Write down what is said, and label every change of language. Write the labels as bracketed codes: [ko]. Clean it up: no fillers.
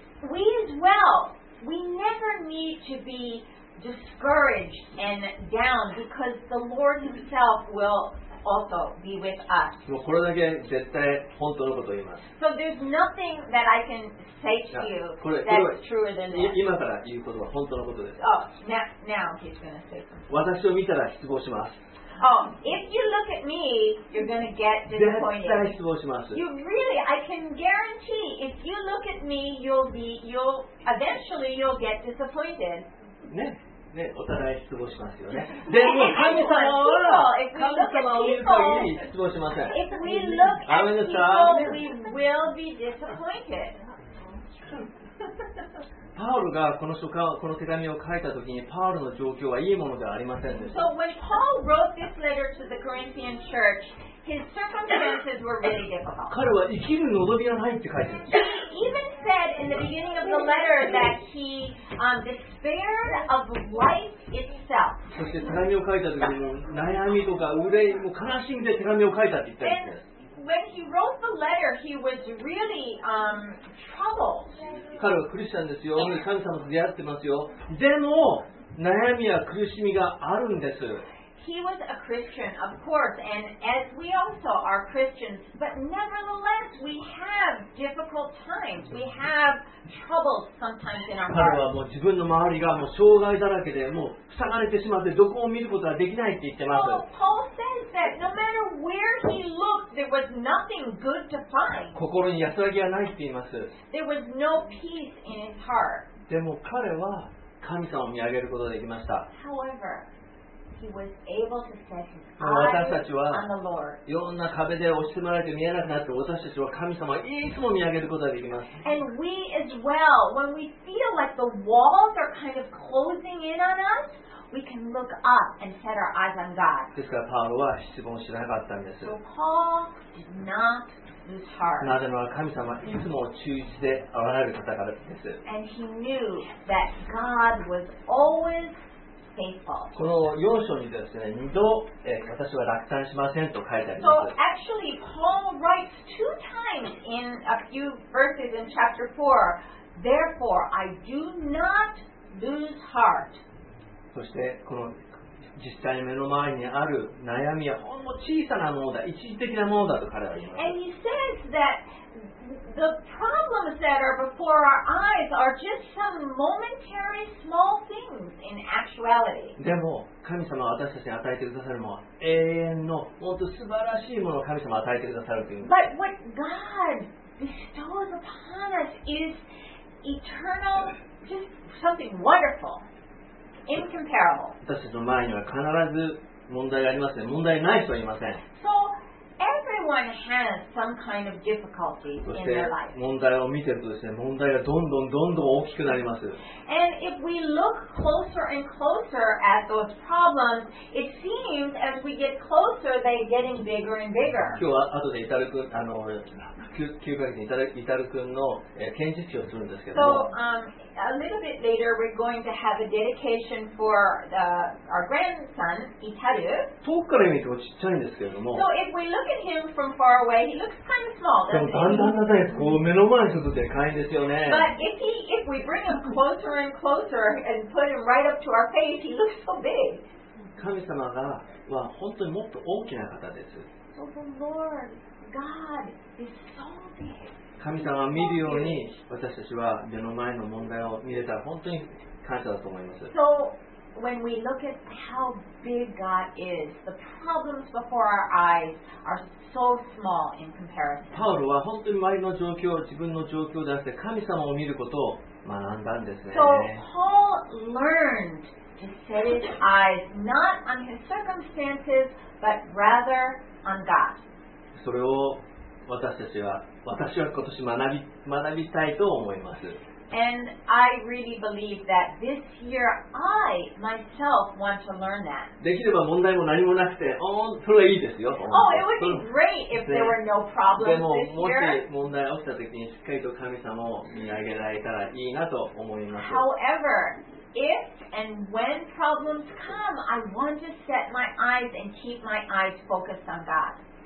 [en] We as well, we never need to be discouraged and down because the Lord Himself will also be with us. [ja] もうこれだけ絶対本当のことを言います。 [en] So there's nothing that I can say to you that's truer than that. [ja] 今から言うことは本当のことです。 [en] Oh, now he's going to say something. [ja] 私を見たら失望します。 [en] Oh, if you look at me, you're going to get disappointed. [ja] 絶対失望します。 [en] You really, I can guarantee, if you look at me, eventually you'll get disappointed. [ja] ね、ね、お互い失望しますよね。でも神様は、神様を見る限り失望しません。 [en] If we look at people, we will be disappointed. [ja] パウルがこの手紙を書いたときにパウルの状況はいいものではありませんでした。 [en] So when Paul wrote this letter to the Corinthian church, his circumstances were really difficult. [ja] 彼は生きる望みがないって書いてます。 [en] He even said in the beginning of the letter that he despaired of life itself. [ja] そして手紙を書いたときに悩みとか憂いも悲しんで手紙を書いたって言ったんです。 [en] When he wrote the letter, he was really troubled. [ja] 彼はクリスチャンですよ。神様と出会ってますよ。でも悩みや苦しみがあるんです。 [en] He was a Christian, of course, and as we also are Christians, but nevertheless, we have difficult times. We have troubles sometimes in our lives. [ja] 彼はもう自分の周りがもう障害だらけで、もう塞がれてしまって、どこを見ることができないって言ってます。 [en] Well, Paul says that no matter where he looked, there was nothing good to find. [ja] 心に安らぎはないって言います。 [en] There was no peace in his heart. [ja] でも彼は神様を見上げることができました。 [en] However,He was able to set his eyes on the Lord. [ja] 私たちはいろんな壁で押し詰められて見えなくなって、私たちは神様をいつも見上げることができます。 [en] And we as well, when we feel like the walls are kind of closing in on us, we can look up and set our eyes on God. [ja] ですからパウロは失望しなかったんです。 [en] So Paul did not lose heart. [ja] なぜなら神様はいつも忠実であられる方からです。 [en] And he knew that God was always [ja] この4章にですね、2度、私は落胆しませんと書いてあります。 [en] So actually, Paul writes two times in a few verses in chapter 4, therefore, I do not lose heart. [ja] そして、この実際に目の前にある悩みはほんの小さなものだ、一時的なものだと彼は言います。 [en] And he says that the problems that are before our eyes are just some momentary small things in actuality. [ja] でも神様は私たちに与えてくださるものは永遠の本当素晴らしいものを神様与えてくださるという。 [en] But what God bestows upon us is eternal, just something wonderful, incomparable. [ja] 私たちの前には必ず問題がありますね。問題ない人はいません。 [en] So,Everyone has some kind of difficulty in their life. [ja] 問題を見てるとですね、問題がどんどんどんどん大きくなります。 [en] And if we look closer and closer at those problems, it seems as we get closer, they're getting bigger and bigger. [ja] 今日は後でイタル君、休暇にイタル君の検事をするんですけども。 [en] So, a little bit later, we're going to have a dedication for our grandson, イタル。 [ja] 遠くから見てもちっちゃいんですけども。 [en] So if we look at him from far away, he looks kind of small. [ja] でもだんだんだんだん、こう目の前にするとでかいんですよね。 [en] But if we bring him closer and closer and put him right up to our face, he looks so big. [ja] 神様は本当にもっと大きな方です。 [en] So the Lord. God is so big. [ja] 神様を見るように私たちは目の前の問題を見れたら本当に感謝だと思います。 [en] So when we look at how big God is, the problems before our eyes are so small in comparison. [ja] パウロは本当に周りの状況、自分の状況であって神様を見ることを学んだんですね。 [en] So Paul learned to set his eyes not on his circumstances, but rather on God. [ja] それを私は今年学びたいと思います。 [en] And I really believe that this year I myself want to learn that. [ja] できれば問題も何もなくて、おー、それはいいですよ。 [en] Oh, it would be great if there were no problems this year. [ja] でも、もし問題が起きた時にしっかりと神様を見上げられたらいいなと思います。 [en] However, if and when problems come, I want to set my eyes and keep my eyes focused on God.